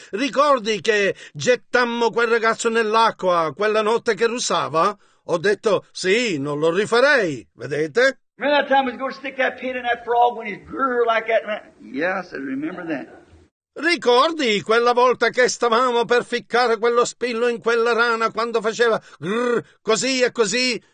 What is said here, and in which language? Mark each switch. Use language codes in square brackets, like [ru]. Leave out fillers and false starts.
[it] Ricordi che gettammo quel ragazzo nell'acqua quella notte che russava? Ho detto, sì, non lo rifarei, vedete? [en] Remember that time we go stick that pin in that frog when he's grr like that? Yes, I remember that. [it] Ricordi quella volta che stavamo per ficcare quello spillo in quella rana quando faceva grr così e così?